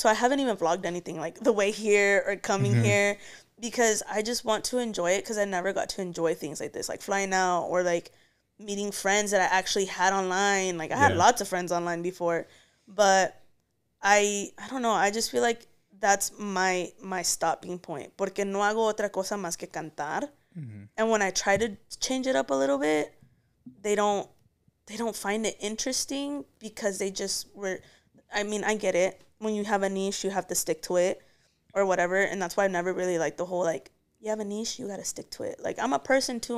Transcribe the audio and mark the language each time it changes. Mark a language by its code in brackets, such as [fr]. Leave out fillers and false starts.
[en] So I haven't even vlogged anything, like, the way here or coming here, because I just want to enjoy it, because I never got to enjoy things like this, like flying out or like meeting friends that I actually had online. Like, I had lots of friends online before, but I don't know. I just feel like that's my stopping point. [es] Porque no hago otra cosa más que cantar. [en] And when I try to change it up a little bit, they don't find it interesting, because they just were, I mean, I get it. When you have a niche, you have to stick to it or whatever. And that's why I never really liked the whole, like, you have a niche, you got to stick to it. Like, I'm a person too.